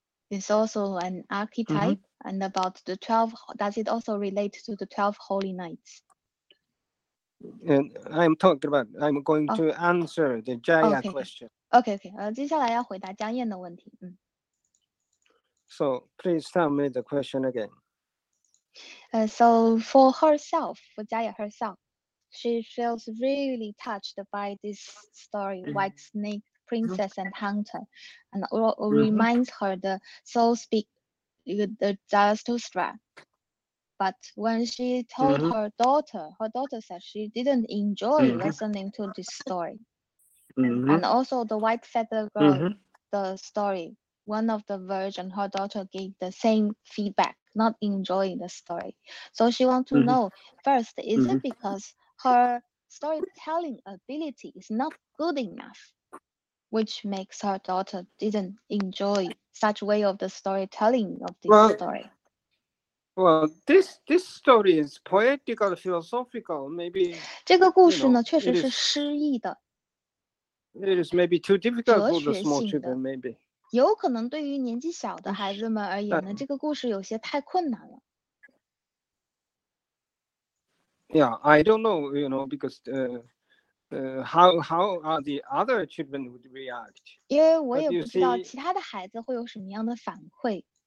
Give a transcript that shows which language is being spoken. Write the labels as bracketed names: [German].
[English] It's also an archetype, and about the 12, does it also relate to the 12 holy nights? And I'm talking about, I'm going to answer the Jaya question. Okay. [Chinese] 接下来要回答江燕的问题。 [English] So please tell me the question again. So for herself, for Jaya herself, she feels really touched by this story, White Snake Princess and Hunter, and reminds her the soul speak, the Zarathustra. But when she told her daughter said she didn't enjoy listening to this story. And also the White Feather Girl, the story, one of the version, her daughter gave the same feedback, not enjoying the story. So she wants to know, first, is it because her storytelling ability is not good enough? which makes her daughter didn't enjoy such way of the storytelling of this story. Well, this story is poetical, philosophical, maybe. [Chinese] 这个故事呢, [English] you know, [Chinese] 确实是诗意的, [English] it is maybe too difficult for the small children, maybe. [Chinese] 有可能对于年纪小的孩子们而言呢, 这个故事有些太困难了。 [English] Yeah, I don't know, you know, because how are the other children would react? [Chinese] 因为我也不知道其他的孩子会有什么样的反馈。